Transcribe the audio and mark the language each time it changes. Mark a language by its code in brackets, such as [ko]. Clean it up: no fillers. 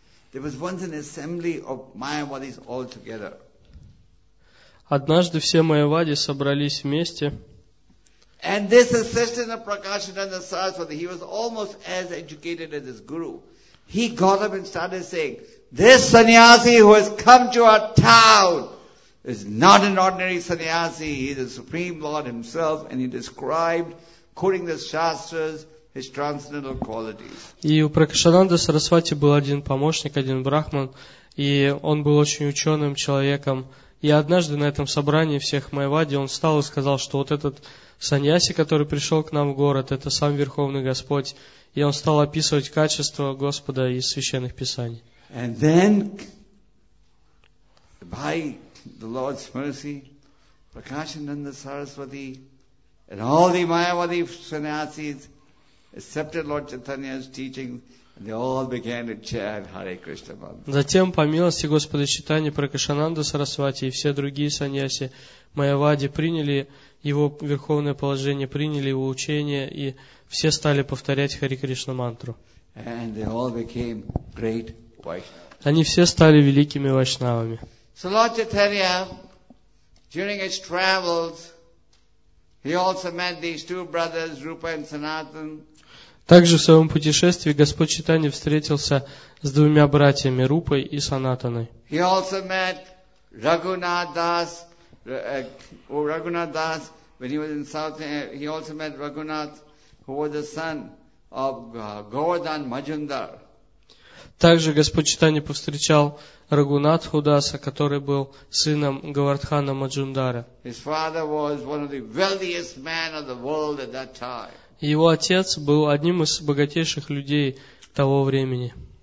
[en] There was once an assembly of Mayavadis all together. [ru] Однажды все Майявади собрались вместе. [en] And this assistant of Prakashananda Saraswati, he was almost as educated as his guru. He got up and started saying, "This sannyasi who has come to our town is not an ordinary sannyasi. He is the Supreme Lord himself." And he described, quoting the shastras, his transcendental qualities. [ru] И у Пракашананда Сарасвати был один помощник, один брахман, и он был очень ученым человеком. И однажды на этом собрании всех майявади он встал и сказал, что вот этот саньяси, который пришел к нам в город, это сам Верховный Господь. И он стал описывать качества Господа из священных писаний. [en] And then, by the Lord's mercy, Prakashananda Saraswati and all the Mayavadi sannyasis accepted Lord Chaitanya's teaching, and they all began to chant Hare Krishna Mantra. [ru] Затем, по милости Господа Чайтаньи, Пракашананда Сарасвати и все другие саньяси майявади приняли его верховное положение, приняли его учение, и все стали повторять Hare Krishna Mantra. [en] And they all became great Vaishnavas. [ru] Они все стали великими вайшнавами. [en] So Lord Chaitanya, during his travels, he also met these two brothers, Rupa and Sanatan. [ru] Также в своем путешествии Господь Чайтанья встретился с двумя братьями Рупой и Санатаной. [en] He also met Raghunath Das when he was in South India. He also met Raghunath, who was the son of Govardhan Majumdar. [ru] Также Господь Чайтанья повстречал Рагунатху Даса, который был сыном Говардхана Маджундара. [en] His father was one of the wealthiest men of the world at that time. [ru] Его отец был одним из богатейших людей того времени.